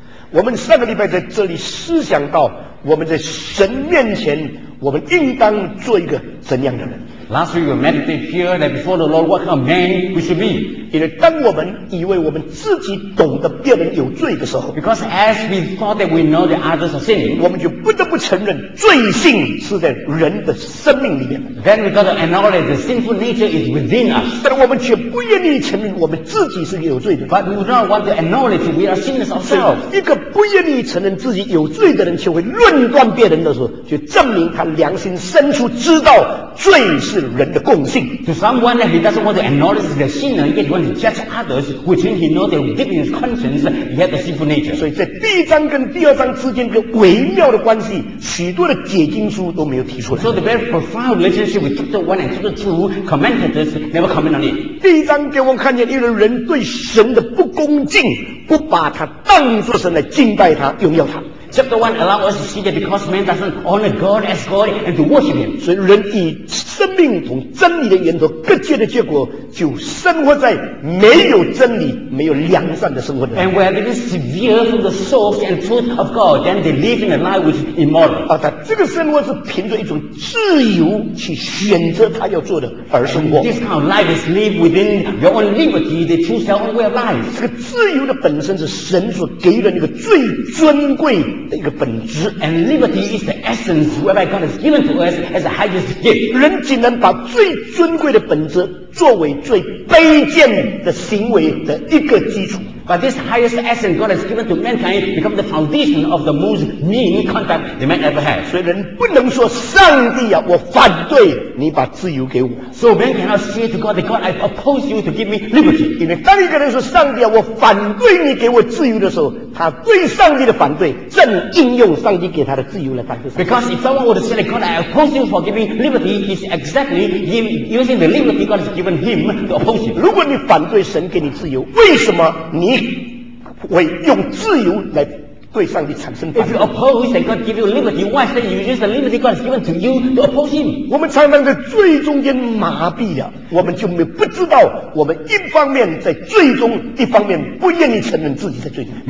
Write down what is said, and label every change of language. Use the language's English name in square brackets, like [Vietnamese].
[Chinese] 我们上个礼拜在这里思想到，我们在神面前我们应当做一个怎样的人。 [English] Last week we meditated here that before the Lord, what kind of man we should be. [Chinese] 因为当我们以为我们自己懂得别人有罪的时候 [English] ，Because as we thought that we know that others are sinning, [Chinese] 我们就不得不承认罪性是在人的生命里面。 [English] Then we got to acknowledge the sinful nature is within us. [Chinese] 但我们却不愿意承认我们自己是有罪的。 [English] But we do not want to acknowledge we are sinners ourselves. [Chinese] 一个不愿意承认自己有罪的人，却会论断别人的时候，就证明他良心深处知道罪是。 [English] To someone that he doesn't want to acknowledge the sinner, yet he wants to judge others, which means he knows that deep in his conscience, he has the sinful nature. [Chinese] 所以在第一章跟第二章之间的微妙的关系，许多的解经书都没有提出来。 [English] So the very profound relationship with chapter 1 and chapter 2 commentators never comment on it. [Chinese] 第一章给我们看见一个人对神的不恭敬，不把他当作神来敬拜他、荣耀他。 [English] Chapter 1 allows us to see that because man doesn't honor God as God and to worship Him. [Chinese] 所以人以生命同真理的源头隔绝的结果，就生活在没有真理、没有良善的生活的。 [English] And where they severe from the source and truth of God, then they live in a life which is immoral. [Chinese] 啊，他这个生活是凭着一种自由去选择他要做的而生活。 [English] And、this kind of life is live within your own liberty. They choose their own way of life. [Chinese] 这个自由的本身是神所给的那个最尊贵。的一个本质 [English] and liberty is the essence whereby God has given to us as the highest gift. [Chinese] 人竟然把最尊贵的本质作为最卑贱的行为的一个基础。 [English] But this highest essence God has given to mankind becomes the foundation of the most mean conduct the man ever had. [Chinese] 所以人不能说上帝啊，我反对你把自由给我。 [English] So man cannot say to God, God, I oppose you to give me liberty. [Chinese] 因为当一个人说上帝啊，我反对你给我自由的时候，他对上帝的反对正应用上帝给他的自由来反对。 [English] Because if someone were to say, God, I oppose you for giving liberty, it's exactly him using the liberty God has given him to oppose you. [Chinese] 如果你反对神给你自由，为什么？你会用自由来对上帝产生反 [English] 应。If you oppose that God give you liberty, why should you use the liberty God has given to you to oppose Him? [Chinese] 我们常常在罪中间麻痹了，我们就没不知道，我们一方面在罪中，一方面不愿意承认自己在罪中。